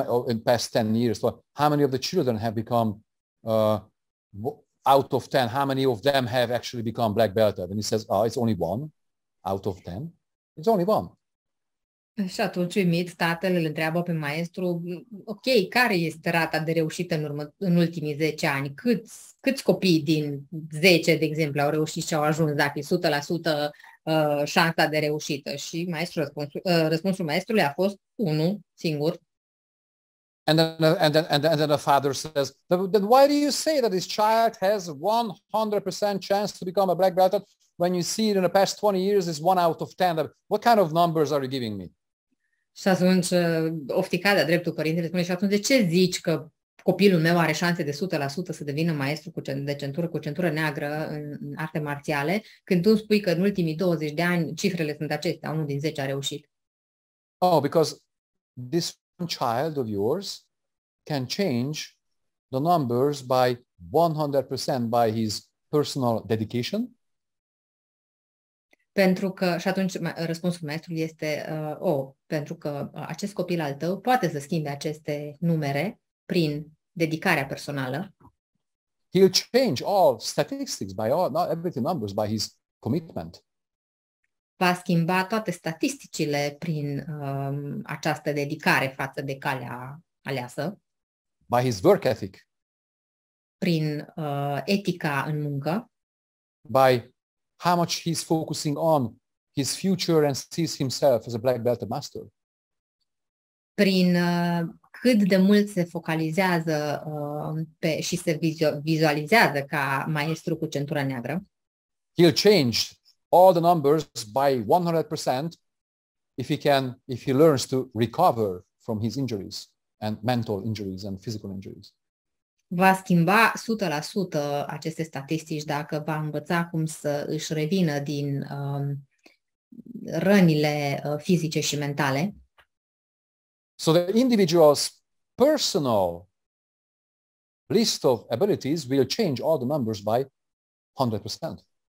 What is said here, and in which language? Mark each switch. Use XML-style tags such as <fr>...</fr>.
<en>In past 10 years, so how many of the children have become out of 10, how many of them have actually become black belted? And he says, oh, it's only one out of 10. It's only one.</en> <ro>Și atunci, uimit, tatăl îl întreabă pe maestru, ok, care este rata de reușită în ultimii 10 ani? Câți copii din 10, de exemplu, au reușit și au ajuns, dacă e 100% șansa de reușită? Și maestru, răspunsul maestrului a fost unul singur.</ro> <en>And then the father says, then why do you say that this child has 100% chance to become a black belt when you see it in the past 20 years is 1 out of 10? What kind of numbers are you giving me?</en> <ro>Și atunci oftica de-a dreptul părintele spune, și atunci de ce zici că copilul meu are șanse de 100% să devină maestru cu centură neagră în arte marțiale, când tu spui că în ultimii 20 de ani cifrele sunt acestea, 1 din 10 a reușit.</ro> <en>Oh, because this one child of yours can change the numbers by 100% by his personal dedication.</en> <ro>Pentru că, și atunci răspunsul maestrului este, pentru că acest copil al tău poate să schimbe aceste numere prin dedicarea personală.</ro> <en>He'll change all statistics by all, not everything numbers, by his commitment.</en> <ro>Va schimba toate statisticile prin această dedicare față de calea aleasă.</ro> <en>By his work ethic.</en> <ro>Prin etica în muncă.</ro> <en>By how much he's focusing on his future and sees himself as a black belt master.</en> <ro>Prin cât de mult se focalizează și se vizualizează ca maestru cu centura neagră.</ro> <en>He'll change all the numbers by 100% if he learns to recover from his injuries and mental injuries and physical injuries.</en> <ro>Va schimba 100% aceste statistici dacă va învăța cum să își revină din rănile fizice și mentale.</ro> <en>So the individual's personal list of abilities will change all the numbers by 100%.</en>